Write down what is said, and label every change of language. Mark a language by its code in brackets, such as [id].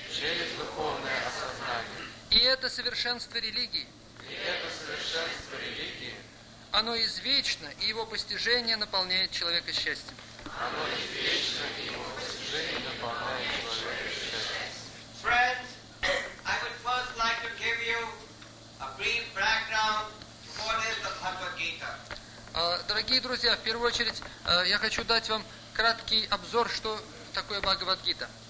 [ru] Через духовное осознание. И это совершенство религии. И это совершенство религии. Оно извечно, и его постижение наполняет человека счастьем. Оно извечно, и его постижение наполняет человека счастьем. [en] Friends, I would first like to give you a brief background for this Bhagavad Gita. [ru] Дорогие друзья, в первую очередь я хочу дать вам краткий обзор, что такое Бхагавад-гита.